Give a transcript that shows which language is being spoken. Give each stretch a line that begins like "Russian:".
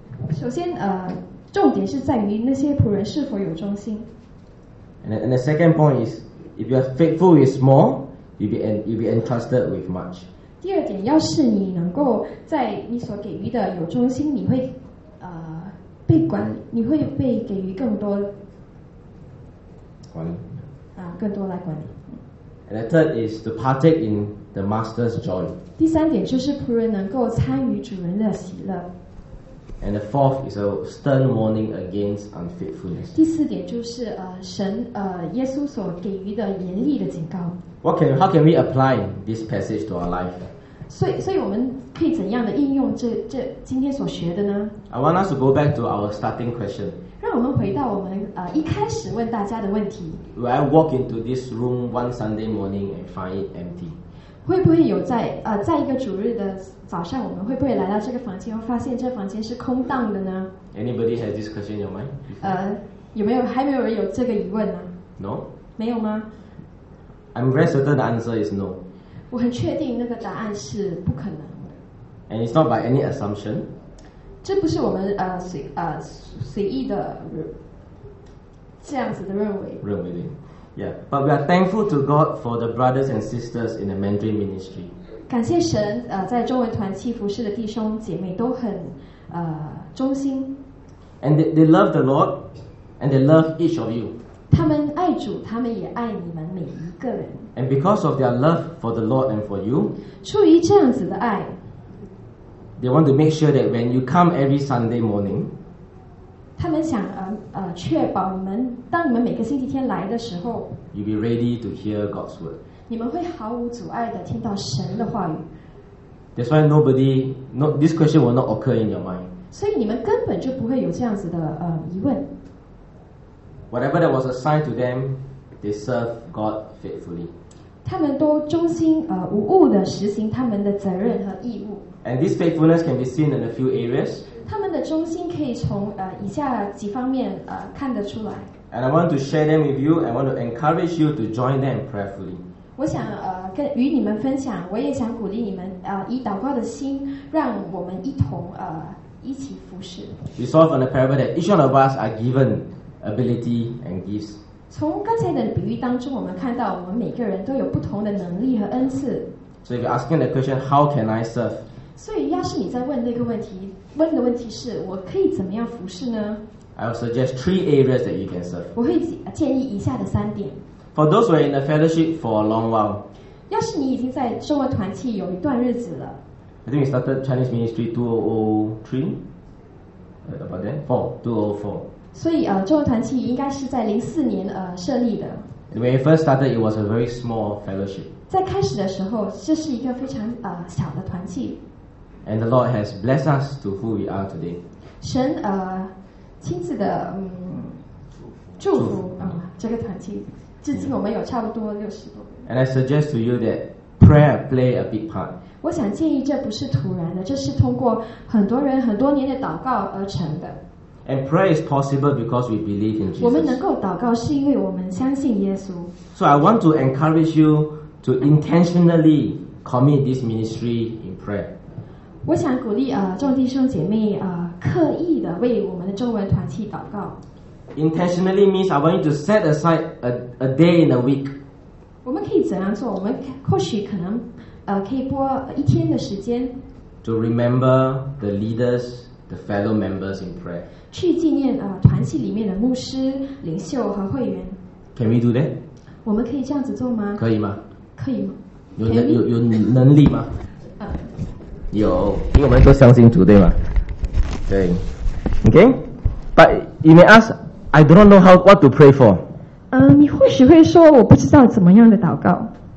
Chinese: 首先，重点是在于那些仆人是否有忠心。
English: And the second point is, if you are faithful with small, you'll be entrusted with much.
Chinese: 第二点，要是你能够在你所给予的有忠心，你会被管，你会被给予更多管理啊，更多来管理。
English: And the third is to partake in the master's joy.
Chinese: 第三点就是仆人能够参与主人的喜乐。
English: And the fourth is a stern warning against unfaithfulness.
Chinese: 第四点就是神耶稣所给予的严厉的警告。
English: How can we apply this passage to our life?
Chinese: 所以我们可以怎样的应用这今天所学的呢？
English: I want us to go back to our starting question.
Chinese: 让我们回到我们一开始问大家的问题。
English: Will I walk into this room one Sunday morning and find it empty?
Chinese: 会不会有在一个主日的早上，我们会不会来到这个房间，发现这房间是空荡的呢
English: ？Anybody has this question in your mind?
Chinese: 有没有还没有人有这个疑问呢
English: ？No.
Chinese: 没有吗
English: ？I'm very certain the answer is no.
Chinese: 我很确定那个答案是不可能的。
English: And it's not by any assumption.
Chinese: 这不是我们随意的这样子的认为。认为的。
English: Yeah, but we are thankful to God for the brothers and sisters in the Mandarin ministry.
Chinese: 感谢神，在中文团契服事的弟兄姐妹都很忠心。
English: And they love the Lord, and they love each of you.
Chinese: 他们爱主，他们也爱你们每一个人。
English: And because of their love for the Lord and for you,
Chinese: 出于这样子的爱
English: ，they want to make sure that when you come every Sunday morning.
Chinese: 他们想确保你们当你们每个星期天来的时候
English: You'll be ready to hear God's word.
Chinese: 你们会毫无阻碍地听到神的话语。
English: That's why nobody, no, this question will not occur in your mind.
Chinese: 所以你们根本就不会有这样子的疑问。
English: Whatever that was assigned to them, they serve God faithfully.
Chinese: 他们都忠心无误地实行他们的责任和义务。
English: And this faithfulness can be seen in a few areas.
Chinese: 他们的忠心可以从以下几方面看得出来。
English: And I want to share them with you. I want to encourage you to join them prayerfully.
Chinese: 我想与你们分享，我也想鼓励你们以祷告的心，让我们一同一起服事。
English: We saw from the parable that each one of us are given ability and gifts.
Chinese: 从刚才的比喻当中，我们看到我们每个人都有不同的能力和恩赐。
English: So if you're asking the question, how can I serve?
Chinese: 所以要是你在问那个问题，问的问题是我可以怎么样服侍呢？
English: I will suggest three areas that you can serve.
Chinese: 我会建议以下的三点。
English: For those who are in the fellowship for a long while.
Chinese: 要是你已经在中文团契有一段日子了。
English: I think we started Chinese ministry 2003? About then? 2004.
Chinese: 所以中文团契应该是在04年设立的。
English: When it first started, it was a very small fellowship.
Chinese: 在开始的时候，这是一个非常小的团契。
English: And the Lord has blessed us to who we are today.
Chinese: 神亲自的祝福这个团契，至今我们有差不多60多。
English: And I suggest to you that prayer play a big part.
Chinese: 我想建议这不是突然的，这是通过很多人很多年的祷告而成的。
English: And prayer is possible because we believe in Jesus.
Chinese: 我们能够祷告是因为我们相信耶稣。
English: So I want to encourage you to intentionally commit this ministry in prayer.
Chinese: 我想鼓励众弟兄姐妹刻意的为我们的中文团契祷告。
English: Intentionally means I want you to set aside a day in a week.
Chinese: 我们可以怎样做？我们或许可能可以拨一天的时间。
English: To remember the leaders, the fellow members in prayer.
Chinese: 去纪念团契里面的牧师、领袖和会员。
English: Can we do that?
Chinese: 我们可以这样子做吗？可以吗？可以吗？有能力吗？有，因为我们说相信主，对吗？对。
English: Okay, but you may ask, I do not know how what to pray for.
Chinese: 你或许会说我不知道怎么样的祷告。